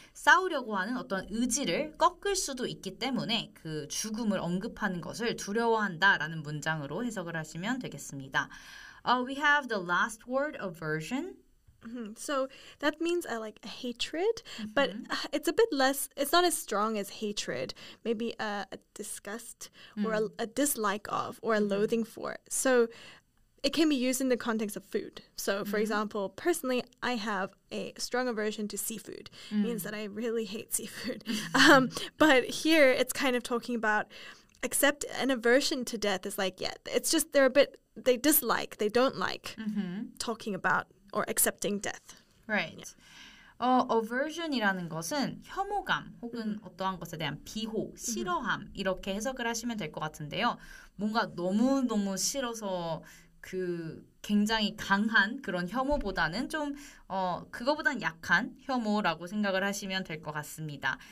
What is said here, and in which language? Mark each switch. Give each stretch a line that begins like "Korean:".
Korean: 싸우려고 하는 어떤 의지를 꺾을 수도 있기 때문에 그 죽음을 언급하는 것을 두려워한다 라는 문장으로 해석을 하시면 되겠습니다.
English: We have the last word, aversion. So that means like a hatred, but it's a bit less, it's not as strong as hatred, maybe a disgust or a dislike of or a loathing for. So it can be used in the context of food. So for example, personally, I have a strong aversion to seafood. It means that I really hate seafood. But here it's kind of talking about except an aversion to death is like, yeah, it's just they're a bit, they dislike, they don't like talking about or accepting death. Right. Yeah.
Korean: Aversion이라는 것은 혐오감 혹은 어떠한 것에 대한 비호, 싫어함 이렇게 해석을 하시면 될 것 같은데요. 뭔가 너무너무 싫어서 그 굉장히 강한 그런 혐오보다는 좀 그거보단 약한 혐오라고 생각을 하시면 될 것 같습니다.